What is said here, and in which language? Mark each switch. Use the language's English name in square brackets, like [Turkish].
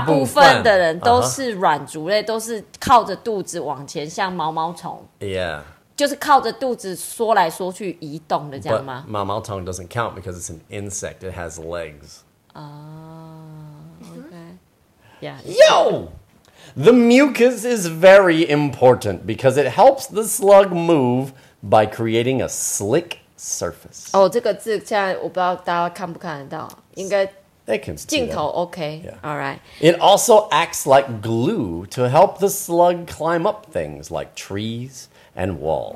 [Chinese] 部分的人都是软足类、uh-huh. 都是靠着肚子往前像毛毛虫 [English] Yeah. [Chinese] 就是靠着肚子缩来缩去移动的这样吗 [English] But 毛毛虫 doesn't count because it's an insect. It has legs. Okay. Yeah. Yo! The mucus is very important because it helps the slug move by creating a slick surface. [Chinese] Oh, 这个字现在我不知道大家看不看得到，应该 [English] They can see [Chinese] 镜头 OK. [English] Yeah. All right. It also acts like glue to help the slug climb up things like trees and walls.